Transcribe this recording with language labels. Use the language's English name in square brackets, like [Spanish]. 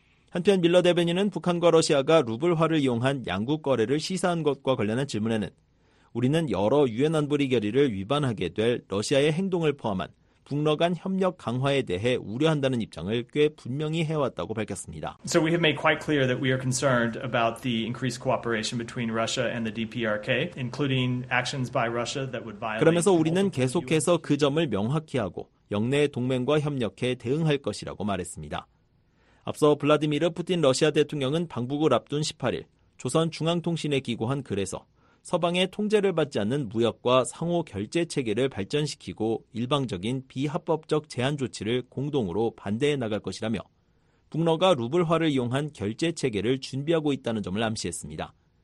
[Korean] 한편 밀러 대변인은 북한과 러시아가 루블화를 이용한 양국 거래를 시사한 것과 관련한 질문에는 우리는 여러 유엔 안보리 결의를 위반하게 될 러시아의 행동을 포함한 북러 간 협력 강화에 대해 우려한다는 입장을 꽤 분명히 해왔다고 밝혔습니다. [English] So we have made quite clear that we are concerned about the increased cooperation between Russia and the DPRK, including actions by Russia that would violate. [Korean] 그러면서 우리는 계속해서 그 점을 명확히 하고 역내 동맹과 협력해 대응할 것이라고 말했습니다. 앞서 블라디미르 푸틴 러시아 대통령은 방북을 앞둔 18일 조선중앙통신에 기고한 글에서 서방의 통제를 받지 않는 무역과 상호 결제 체계를 발전시키고 일방적인 비합법적 제한 조치를 공동으로 반대해 나갈 것이라며 북러가 루블화를 이용한 결제 체계를 준비하고 있다는 점을 암시했습니다.